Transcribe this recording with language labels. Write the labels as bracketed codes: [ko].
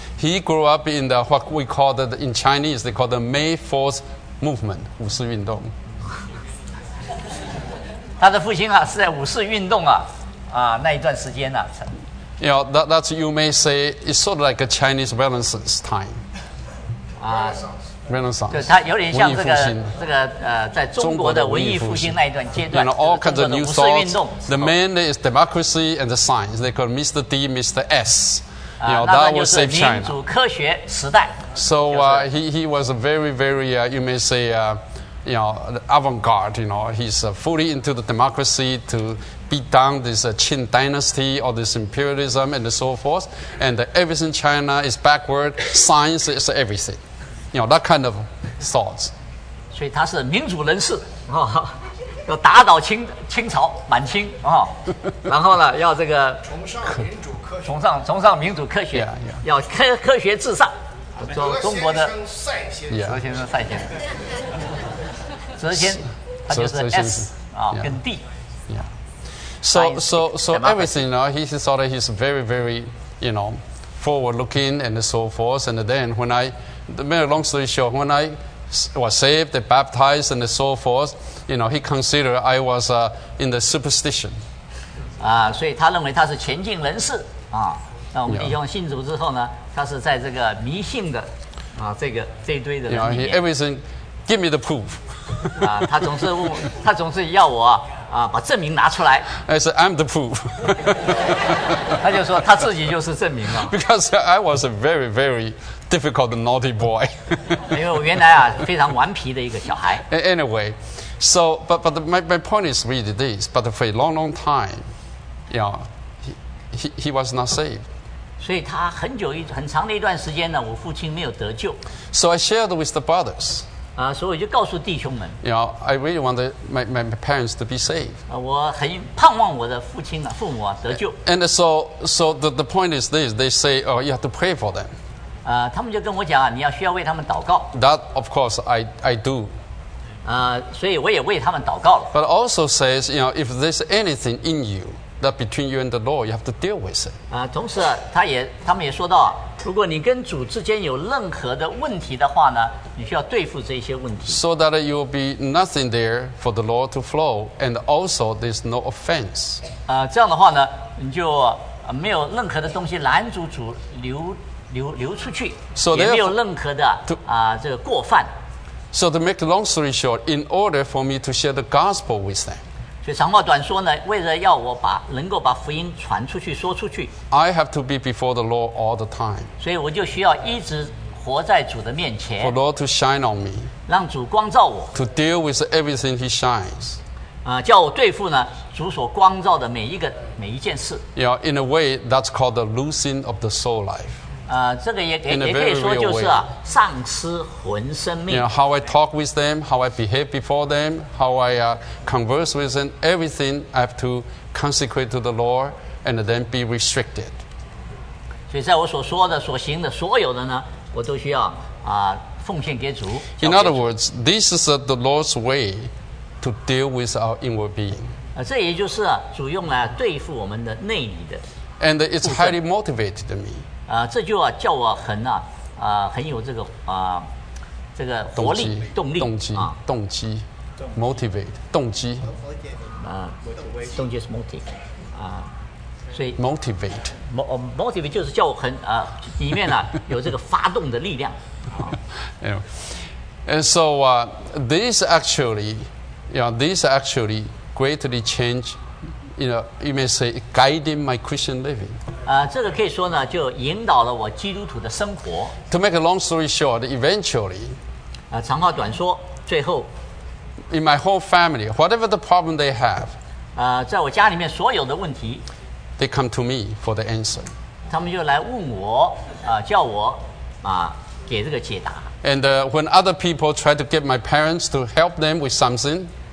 [en] He grew up in the what we call the in Chinese they call the May 4th movement, [zh] 五四运动。他的父亲是在五四运动那一段时间 [en] You know, that's you may say, it's sort of like a Chinese Renaissance time. Renaissance. [zh] 就它有点像这个在中国的文艺复兴那一段阶段。 [en] You know, all kinds of new thoughts. The main is democracy and the science. They call Mr. D, Mr. S. You know, that will save China. [zh] 民主科学时代。 [en] So he was a very, very, you may say, you know, avant-garde. You know, he's fully into the democracy to beat down this Qin dynasty or this imperialism and so forth. And everything China is backward. Science is everything. You know, that kind of thoughts. [zh] 所以他是民主人士、哦、要打倒 清朝满清、哦、然后呢要这个崇尚民主科学 [en] yeah, yeah. [zh] 要 科学至上做中国的哲先生赛先生、 [en] yeah. [zh] 哲先生他就是 S、哦、跟 D、 [en] yeah. So everything you know, he thought that he's very very you know, forward looking and so forth and then when I made a long story short, when I was saved, baptized, and so forth, you know, he considered I was in the superstition. [zh] 啊，所以他认为他是虔敬人士啊。那我们弟兄信主之后呢，他是在这个迷信的啊，这一堆的人里面。 [en] Yeah, everything, give me the proof. 啊， [zh] 他总是要我啊，把证明拿出来。 [en] I said, I'm the proof. [zh] 他就说他自己就是证明了。 [en] Because I was a very, very difficult naughty boy. [zh] 因为我原来啊非常顽皮的一个小孩。 [en] Anyway, so but my point is really this. But for a long long time, you know, he was not saved. [zh] 所以他很长的一段时间呢，我父亲没有得救。 [en] So I shared with the brothers. [zh] 啊，所以我就告诉弟兄们。 [en] You know, I really wanted my parents to be saved. [zh] 啊，我很盼望我的父亲啊，父母啊得救。 [en] And so the point is this. They say, oh, you have to pray for them. [zh] 他们就跟我讲啊，你要需要为他们祷告。 [en] That of course I do. [zh] 所以我也为他们祷告了。 [en] But also says, you know, if there's anything in you that between you and the Lord, you have to deal with it. [zh] 同时、啊、他们也说到、啊，如果你跟主之间有任何的问题的话呢，你需要对付这些问题。 [en] So that you will be nothing there for the Lord to flow, and also there's no offense. [zh] 这样的话呢，你就、没有任何的东西拦阻主流出去，也没有任何的这个过犯。 [en] So to make a long story short, in order for me to share the gospel with them, [zh] 所以长话短说呢，为了要我能够把福音传出去、说出去 [en] ，I have to be before the Lord all the time. [zh] 所以我就需要一直活在主的面前 [en] ，for Lord to shine on me, [zh] 让主光照我 [en] ，to deal with everything He shines. [zh] 叫我对付呢主所光照的每一件事。 [en] You know, in a way, that's called the losing of the soul life. [zh] 这个也可以说就是、啊、丧失魂生命。 [en] You know, how I talk with them, how I behave before them, how I converse with them, everything I have to consecrate to the Lord and then be restricted. [zh] 所以在我所说的、所行的所有的呢，我都需要、奉献给主。 [en] In other words, this is the Lord's way to deal with our inward being. [zh] 这也就是、啊、主用来对付我们的内里的。 [en] And it's highly motivated me. [zh] 这就、啊、叫我很有这个这个活力动力动机啊动机 motivate 动机动机是 motive 所以 [en] motivate [zh] motivate 就是叫我很里面呢、啊、有这个发动的力量 [en] 啊。Anyway, and so this actually greatly changed. You know, you may say guiding my Christian living. [zh] 这个可以说呢，就引导了我基督徒的生活。 [en] To make a long story short, eventually. [zh] 长话短说，最后。 [en] In my whole family, whatever the problem they have. [zh] 在我家里面所有的问题。 [en] They come to me for the answer. [zh] 他们就来问我，叫我给这个解答。 [en] And when other people try to get my parents to help them with something.